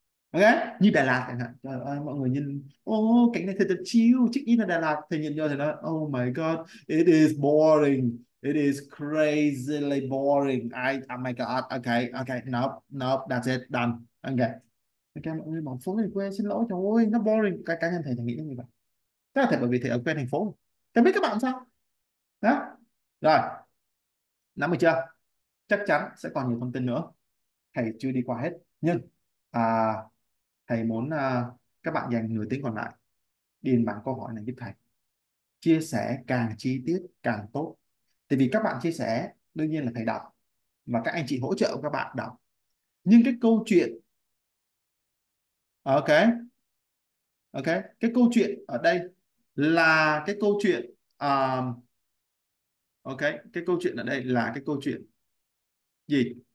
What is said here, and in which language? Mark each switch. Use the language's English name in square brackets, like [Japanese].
[Vietnamese] Ok, như Đà Lạt chẳng hạn. Trời ơi, mọi người nhìn ô cảnh này thật là chill, check in ở Đà Lạt thì nhìn vô thì nói [English] oh my god, it is boring, it is crazily boring. Oh my god, okay, nope, nope, that's it, done. [Vietnamese] Ok, mọi người bỏ phố về quê, xin lỗi, trời ơi, nó boring. Các anh thầy nghĩ như vậy. Chắc là thầy bởi vì thầy ở quê thành phố. Thầy biết các bạn sao? Đó. Rồi, nắm được chưa? Chắc chắn sẽ còn nhiều thông tin nữa. Thầy chưa đi qua hết. Nhưng, thầy muốn các bạn dành nửa tiếng còn lại điền bảng câu hỏi này giúp thầy, chia sẻ càng chi tiết càng tốt, tại vì các bạn chia sẻ đương nhiên là thầy đọc và các anh chị hỗ trợ các bạn đọc, nhưng cái câu chuyện ok, cái câu chuyện ở đây là cái câu chuyện ok, cái câu chuyện ở đây là cái câu chuyện gì?